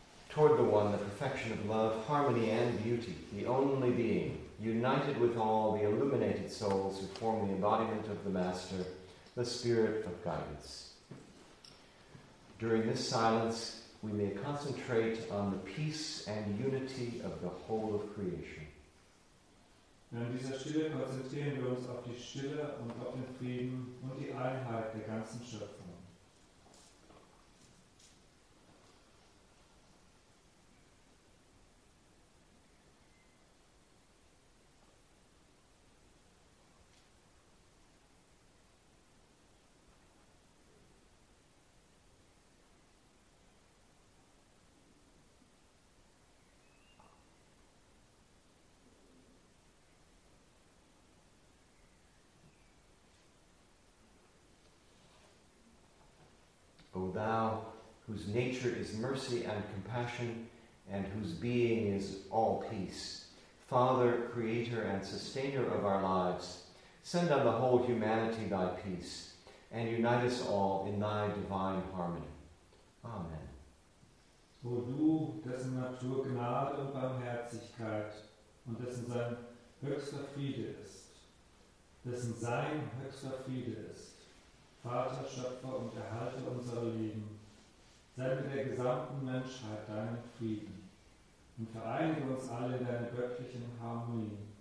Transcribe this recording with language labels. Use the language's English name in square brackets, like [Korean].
[English] Toward the one, the perfection of love, harmony, and beauty, the only being, united with all the illuminated souls who form the embodiment of the Master, the Spirit of Guidance. During this silence, we may concentrate on the peace and unity of the whole of creation. [German] In dieser Stille konzentrieren wir uns auf die Stille und auf den Frieden und die Einheit der ganzen Schöpfung. [English] O Thou, whose nature is mercy and compassion, and whose being is all peace, Father, Creator, and Sustainer of our lives, send on the whole humanity Thy peace, and unite us all in Thy divine harmony. Amen. [German] O Du, dessen Natur Gnade und Barmherzigkeit und dessen Sein höchster Friede ist, dessen Sein höchster Friede ist, Vater, Schöpfer und Erhalter unserer Leben, sende der gesamten Menschheit deinen Frieden und vereinige uns alle in deiner göttlichen Harmonie.